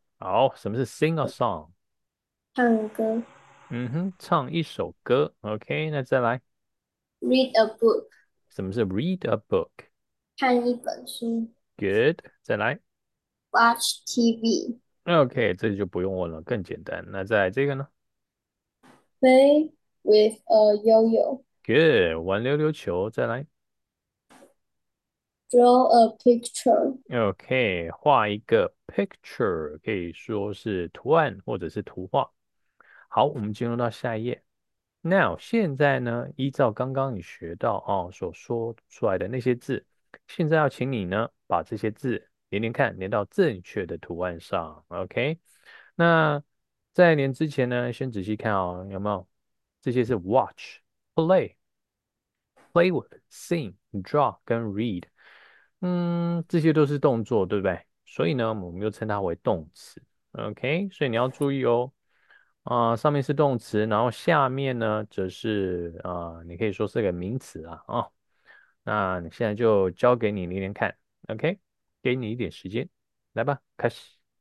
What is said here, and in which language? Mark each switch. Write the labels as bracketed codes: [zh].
[zh] 好，什么是 [en] sing a song？ [zh] 唱歌。嗯哼，唱一首歌，OK，那再来， [en] Read a book. 什么是 read a book？ good， [zh] 看一本书。再来 [en] Watch TV. [zh] ，OK，这就不用问了，更简单，那再来这个呢？ [en] Play with a yo-yo. [zh] Good，玩溜溜球，再来。 [en] Draw a picture. [zh] OK，画一个 picture，可以说是图案或者是图画。好，我们进入到下一页。Now，现在呢，依照刚刚你学到哦所说出来的那些字，现在要请你呢把这些字连连看，连到正确的图案上。 OK，那在连之前呢，先仔细看哦，有没有？这些是 watch。 [en] Play, play with, sing, draw [zh] 跟 read，这些都是动作，对不对？所以呢，我们又称它为动词。OK，所以你要注意哦，上面是动词，然后下面呢，则是你可以说是个名词啊。那现在就交给你连连看，OK，给你一点时间，来吧，开始。